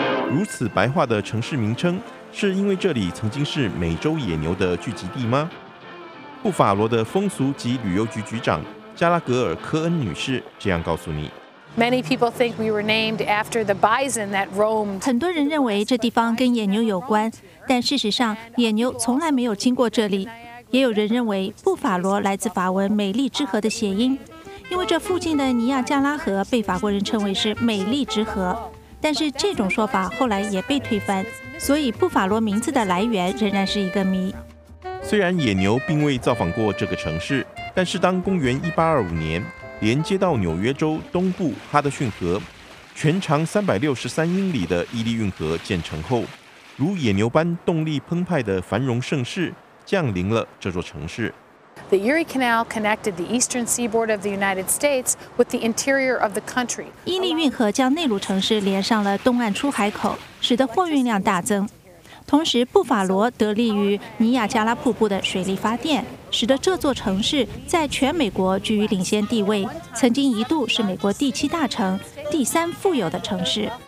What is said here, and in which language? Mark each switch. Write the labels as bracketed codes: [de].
[zh] 如此白话的城市名称是因为这里曾经是美洲野牛的聚集地吗？布法罗的风俗及旅游局局长加拉格尔·科恩女士这样告诉你。 [en] Many people think we were named after the bison that roamed. [zh] 很多人认为这地方跟野牛有关，但事实上野牛从来没有经过这里。也有人认为布法罗来自法文美丽之河的谐音，因为这附近的尼亚加拉河被法国人称为是美丽之河，但是这种说法后来也被推翻，所以布法罗名字的来源仍然是一个谜。虽然野牛并未造访过这个城市，但是当公元1825年连接到纽约州东部哈德逊河，全长363英里的伊利运河建成后，如野牛般动力澎湃的繁荣盛世降临了这座城市。 [en] The Erie Canal connected the eastern seaboard of the United States with the interior of the country. [zh] 伊利运河将内陆城市连上了东岸出海口，使得货运量大增。同时，布法罗得力于尼亚加拉瀑布的水力发电，使得这座城市在全美国居于领先地位，曾经一度是美国第七大城、第三富有的城市。